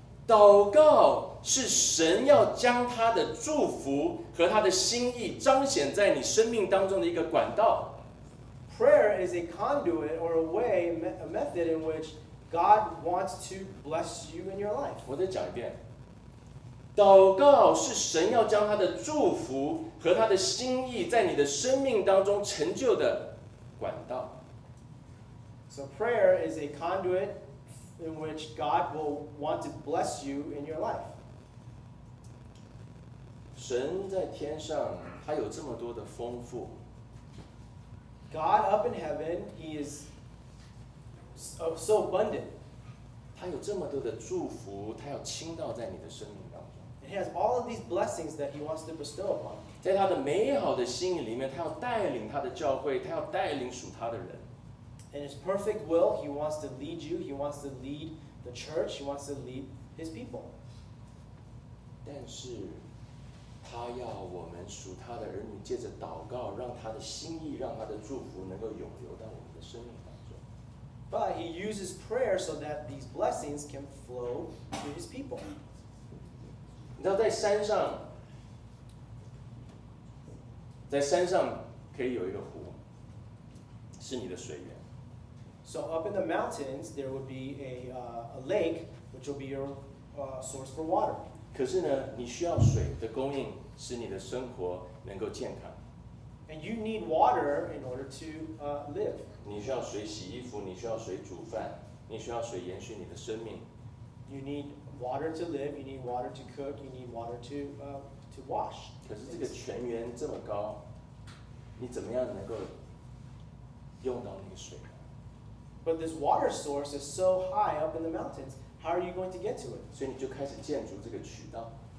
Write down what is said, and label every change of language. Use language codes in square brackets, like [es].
[zh] 祷告是神要将他的祝福和他的心意彰显在你生命当中的一个管道。 [en] Prayer is a conduit or a method in which God wants to bless you in your life. [zh] 我再讲一遍。祷告是神要将他的祝福和他的心意在你的生命当中成就的管道。 [en] So prayer is a conduit in which God will want to bless you in your life. [zh] 神在天上，他有这么多的丰富。 [en] God up in heaven, he is so abundant. [zh] 他有这么多的祝福，他要倾倒在你的生命当中。 [en] And he has all of these blessings that he wants to bestow upon you. [zh] 在他的美好的心意里面，他要带领他的教会，他要带领属他的人。 [en] In his perfect will, he wants to lead you, he wants to lead the church, he wants to lead his people. [zh] 但是他要我们属他的儿女借着祷告让他的心意让他的祝福能够永留到我们的生命当中。 [en] But he uses prayer so that these blessings can flow to his people. [zh] 你知道在山上可以有一个湖是你的水源。 [en] So up in the mountains, there would be a lake, which will be your source for water. [zh] 可是呢，你需要水的供应，使你的生活能够健康。 [en] And you need water in order to live. [zh] 你需要水洗衣服，你需要水煮饭，你需要水延续你的生命。 [en] You need water to live. You need water to cook. You need water to wash. [zh] 可是这个泉源这么高，你怎么样能够用到那个水？ [en] But this water source is so high up in the mountains. How are you going to get to it? [zh] 所以你就开始建筑这个渠道。